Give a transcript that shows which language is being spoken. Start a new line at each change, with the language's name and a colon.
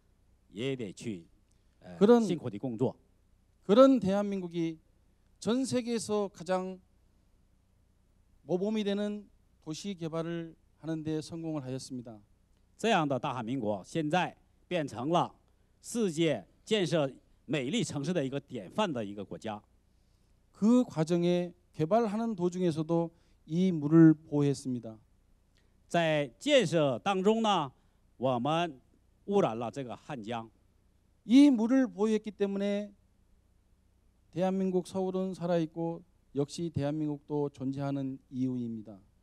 Chinese: 当母亲的啊，妇女也要到现场，也得去辛苦的工作。
Korean: 그런 대한민국이 전 세계에서 가장 모범이 되는 도시 개발을 하는데 성공을 하였습니다.
Chinese: 这样的大韩民国现在变成了世界建设美丽城市的一个典范的一个国家。
Korean: 그 과정에 개발하는 도중에서도 이 물을 보호했습니다.
Chinese: 在建设当中呢，我们污染了这个汉江。
Korean: 이 물을 보호했기 때문에 대한민국 서울은 살아 있고 역시 대한민국도 존재하는 이유입니다.